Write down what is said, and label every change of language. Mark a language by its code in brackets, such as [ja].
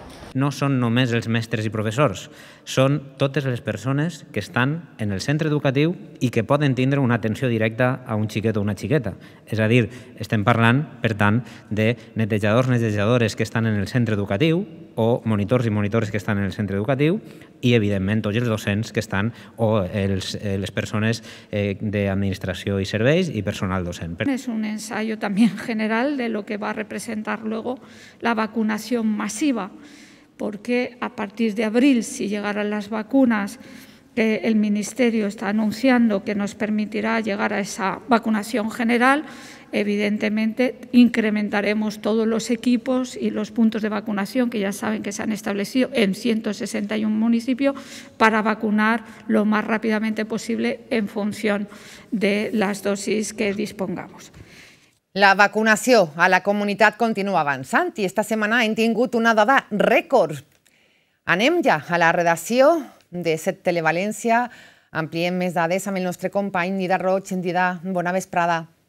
[ca] No són només els mestres i professors, són totes les persones que estan en el centre educatiu i que poden tindre una atenció directa a un xiquet o una xiqueta. És a dir, estem parlant, per tant, de netejadors i netejadores que estan en el centre educatiu o monitors i monitores que estan en el centre educatiu i, evidentment, tots els docents que estan o les persones d'administració i serveis i personal docent. És un [es] ensaio [ca] també [es] general de lo que va representar luego [ca] la vacunació massiva, [es] porque a partir de abril, si llegaran las vacunas que el Ministerio está anunciando que nos permitirá llegar a esa vacunación general, evidentemente incrementaremos todos los equipos y los puntos de vacunación que ya saben que se han establecido en 161 municipios para vacunar lo más rápidamente posible en función de las dosis que dispongamos. [ca] La vacunació a la comunitat continua avançant i esta setmana hem tingut una dada rècord. Anem ja a la redacció de Set Televalència. Ampliem més dades amb el nostre company Nida Roig. Nida, bona vesprada.